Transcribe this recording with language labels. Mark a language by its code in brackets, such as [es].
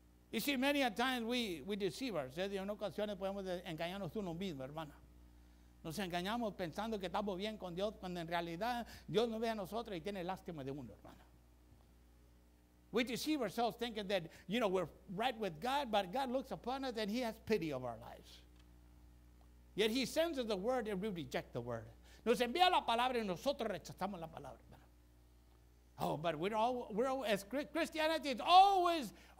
[en] You see, many a times we deceive ourselves. [es] En ocasiones podemos engañarnos uno mismo, hermana. Nos engañamos pensando que estamos bien con Dios, cuando en realidad Dios nos ve a nosotros y tiene lástima de uno, hermana. [en] We deceive ourselves thinking that, you know, we're right with God, but God looks upon us and he has pity of our lives. Yet he sends us the word and we reject the word. [es] Nos envía la palabra y nosotros rechazamos la palabra. [en] Oh, but we're all as Christianity is always.